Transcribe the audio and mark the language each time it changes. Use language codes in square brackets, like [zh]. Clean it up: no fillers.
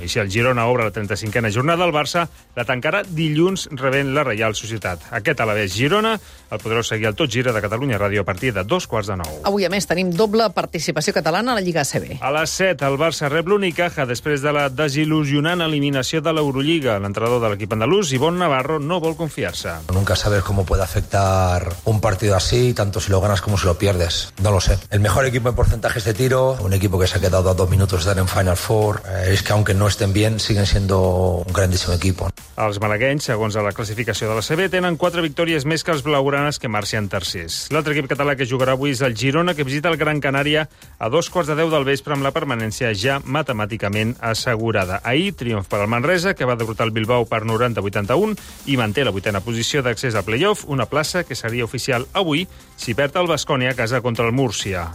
[ca] I si el Girona obre la 35a jornada, el Barça la tancarà dilluns rebent la Reial Societat. Aquest Alavés-Girona el podreu seguir al Tot Gira de Catalunya Ràdio a partir de 8:15. Avui, a més, tenim doble participació catalana a la Lliga ACB. A les 7, el Barça rep l'Unicaja després de la desil·lusionant eliminació de l'Eurolliga. L'entrenador de l'equip andalús, Ivón Navarro, no vol confiar-se. [es] Nunca sabes cómo puede afectar un partido así, tanto si lo ganas como si lo pierdes. No lo sé. El mejor equipo en porcentajes de tiro, un equipo que se ha quedado a 2 minutos de estar en Final Four, es que aunque no estén bien, siguen siendo un grandísimo equipo. [ca] Els malaguenys, segons la classificació de la CB, tenen 4 victòries més que els blaugranes, que marxen tercers. L'altre equip català que jugarà avui és el Girona, que visita el Gran Canària a 9:45 del vespre amb la permanència ja matemàticament assegurada. Ahir, triomf per al Manresa, que va derrotar el Bilbao per 90-81 i manté la 8a posició d'accés a play-off, una plaça que seria oficial avui si perd el Baskonia a casa contra el Múrcia.